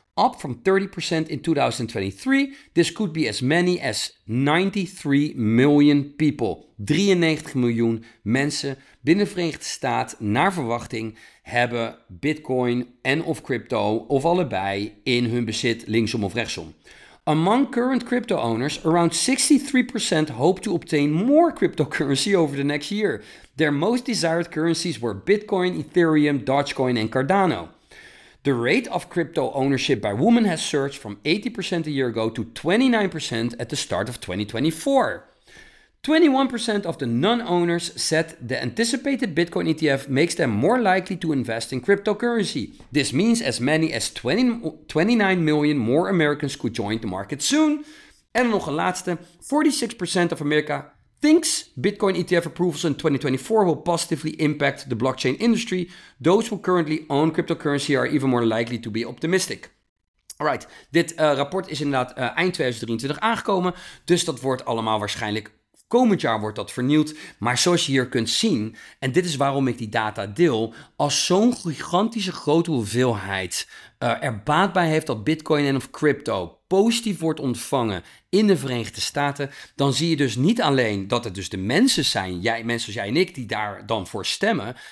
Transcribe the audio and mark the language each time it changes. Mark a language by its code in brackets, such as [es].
[en] Up from 30% in 2023, this could be as many as 93 million people. [nl] 93 miljoen mensen binnen de Verenigde Staten, naar verwachting, hebben Bitcoin en of crypto of allebei in hun bezit linksom of rechtsom. [en] Among current crypto owners, around 63% hope to obtain more cryptocurrency over the next year. Their most desired currencies were Bitcoin, Ethereum, Dogecoin en Cardano. The rate of crypto ownership by women has surged from 80% a year ago to 29% at the start of 2024. 21% of the non-owners said the anticipated Bitcoin ETF makes them more likely to invest in cryptocurrency. This means as many as 29 million more Americans could join the market soon. [nl] En nog een laatste, [en] 46% of America thinks Bitcoin ETF approvals in 2024 will positively impact the blockchain industry. Those who currently own cryptocurrency are even more likely to be optimistic. [nl] Alright, dit rapport is inderdaad eind 2023 aangekomen, dus dat wordt allemaal waarschijnlijk komend jaar wordt dat vernieuwd. Maar zoals je hier kunt zien, en dit is waarom ik die data deel, als zo'n gigantische grote hoeveelheid er baat bij heeft dat Bitcoin en of crypto positief wordt ontvangen in de Verenigde Staten, dan zie je dus niet alleen dat het dus de mensen zijn, jij, mensen als jij en ik, die daar dan voor stemmen.